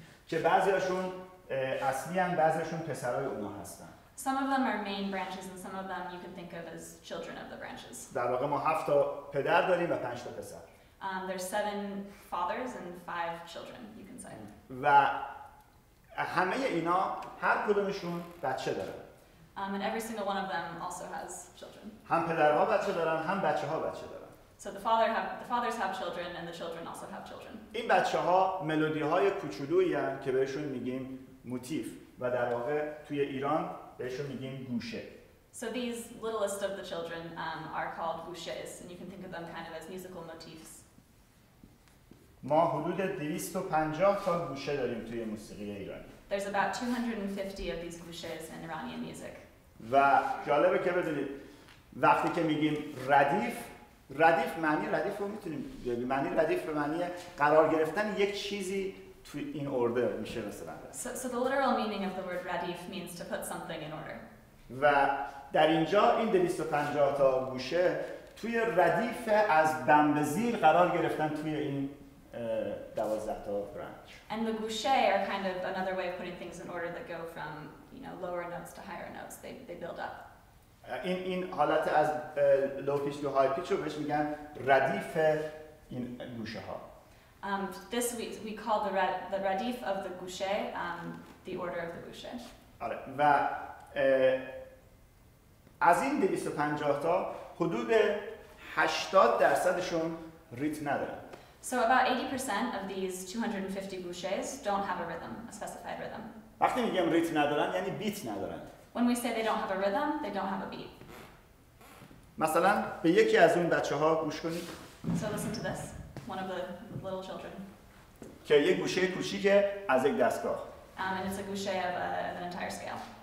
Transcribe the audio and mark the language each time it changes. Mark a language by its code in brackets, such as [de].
[fa] که بعضی ازشون اصلیان، بعضی ازشون پسرای اونا هستن. [en] Some of them are main branches, and some of them you can think of as children of the branches. [fa] در واقع ما 7 تا پدر داریم و 5 تا پسر. [en] There's 7 fathers and 5 children, you can say. [fa] و همه اینا هر کدومشون بچه داره. [en] And every single one of them also has children. [fa] هم پدرها بچه دارن، هم بچه‌ها بچه دارن. [en] So the fathers have children, and the children also have children. [fa] این بچه‌ها ملودی‌های کوچولویی‌ان که بهشون میگیم موتیف، و در واقع توی ایران بهشون میگیم گوشه. [en] So these littlest of the children are called gushes, and you can think of them kind of as musical motifs. [fa] ما حدود 250 تا گوشه داریم توی موسیقی ایرانی. [en] There's about 250 of these gushes in Iranian music. [fa] و جالبه که بدونید وقتی که میگیم ردیف، ردیف معنی ردیف رو میتونیم بگیم، معنی ردیف به معنی قرار گرفتن یک چیزی [en] in order [fa] میشه مثلا. [en] So the literal meaning of the word ردیف means to put something in order. [fa] و در اینجا این 250 تا گوشه توی ردیف از بمبزیر قرار گرفتن توی این 12 تا برانچ. [en] And the gushe are kind of another way of putting things in order that go from, you know, lower notes to higher notes. They build up. [fa] این حالت از [en] low pitch to high pitch [fa] رو بهش میگن ردیف این گوشه ها. [en] This we call the ردیف of the گوشه, the order of the گوشه. [fa] آره. و از این 250 تا حدود 80 درصدشون ریتم ندارن. [en] So about 80% of these 250 bouchers don't have a rhythm, a specified rhythm. [fa] وقتی میگم ریتم ندارن یعنی بیت ندارن. [en] When we say they don't have a rhythm, they don't have a beat. [fa] مثلا به یکی از اون بچه‌ها گوش کنید. [en] So listen to this, one of the little children. [fa] که یک گوشه کوچیکه از یک دستگاه. [en] And it's a gouche of an entire scale.